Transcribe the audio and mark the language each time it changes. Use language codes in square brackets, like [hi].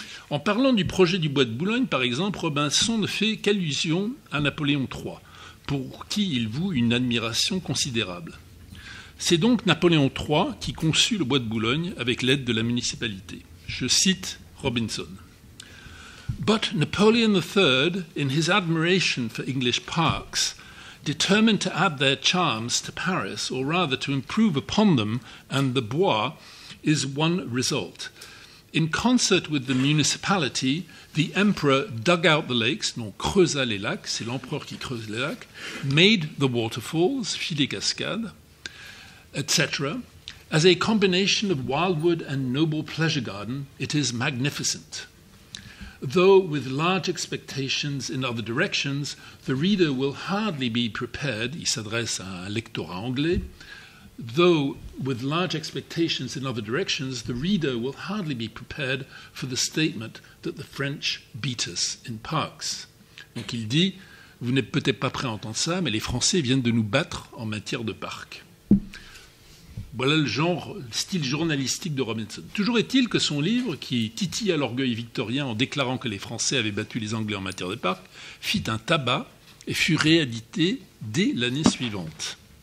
[fr] En parlant du projet du bois de Boulogne, par exemple, Robinson ne fait qu'allusion à Napoléon III, pour qui il voue une admiration considérable. C'est donc Napoléon III qui conçut le bois de Boulogne avec l'aide de la municipalité. Je cite Robinson. [en] But Napoleon III, in his admiration for English parks, determined to add their charms to Paris, or rather to improve upon them and the bois, is one result. In concert with the municipality, the emperor dug out the lakes, [fr] non, creusa les lacs, [en] c'est l'empereur qui creuse les lacs, made the waterfalls, [fr] fit les cascades, [en] etc. As a combination of wildwood and noble pleasure garden, it is magnificent. Though with large expectations in other directions, the reader will hardly be prepared, [fr] il s'adresse à un lectorat anglais, [en] though with large expectations in other directions, the reader will hardly be prepared for the statement that the French beat us in parks. [fr] Donc il dit, vous n'êtes peut-être pas prêt à entendre ça, mais les Français viennent de nous battre en matière de parcs. Voilà le genre, le style journalistique de Robinson. Toujours est-il que son livre, qui titilla l'orgueil victorien en déclarant que les Français avaient battu les Anglais en matière de parcs, fit un tabac et fut réédité dès l'année suivante.